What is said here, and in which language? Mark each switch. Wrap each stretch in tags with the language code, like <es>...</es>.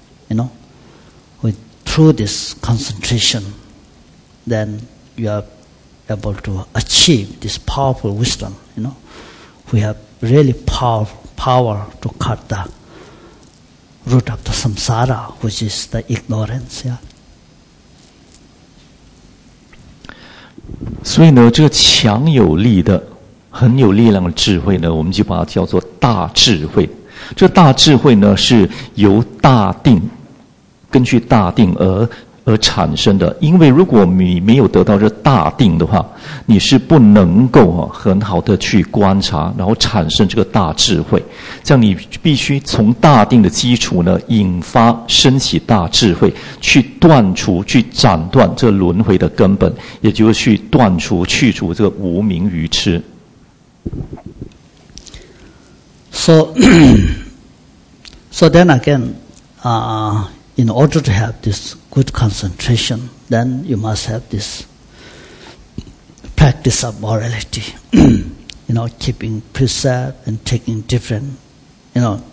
<en>You know, through this concentration, then you are able to achieve this powerful wisdom. You know, we have really power to cut the root of the samsara, which is the ignorance, yeah.</en> <zh>所以呢，这个强有力的、很有力量的智慧呢，我们就把它叫做大智慧。这大智慧呢，是由大定，根据大定而产生的。因为如果你没有得到这大定的话，你是不能够很好的去观察，然后产生这个大智慧。这样你必须从大定的基础呢，引发升起大智慧，去断除、去斩断这轮回的根本，也就是去断除、去除这个无明愚痴。</zh> <en>So then again, in order to have this good concentration, then you must have this practice of morality. You know, keeping precept and taking different, you know.</en>